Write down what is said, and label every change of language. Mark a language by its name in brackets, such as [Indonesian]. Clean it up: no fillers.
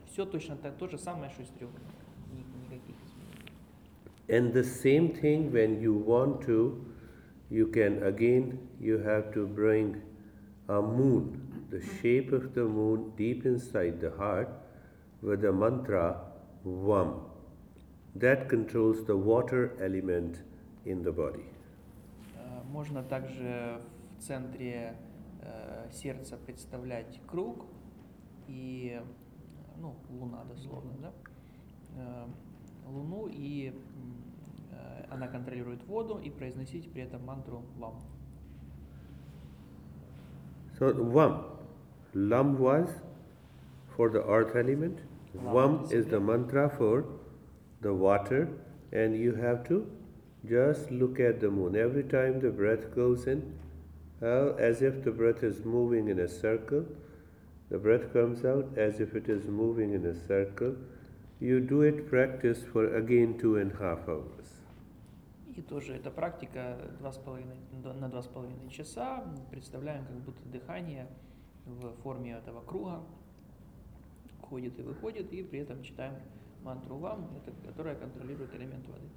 [Russian] Все точно так, то же самое, что и с треугольником. Никаких изменений. [English] And the same thing when you want to, you can again, you have to bring a moon. The shape of the moon deep inside the heart with the mantra vam. That controls the water element in the body. [Russian] Можно также в центре сердца представлять круг и луна дословно, да? Луну, и она контролирует воду, и произносить при этом мантру вам. [English] So vam. Lam was for the earth element. Vam is the mantra for the water, and you have to just look at the moon. Every time the breath goes in, as if the breath is moving in a circle, the breath comes out as if it is moving in a circle. You do it practice for again 2.5 hours. [Russian] И тоже эта практика 2.5 часа. Представляем, как будто дыхание в форме этого круга входит и выходит, и при этом читаем мантру вам, которая контролирует элемент воды.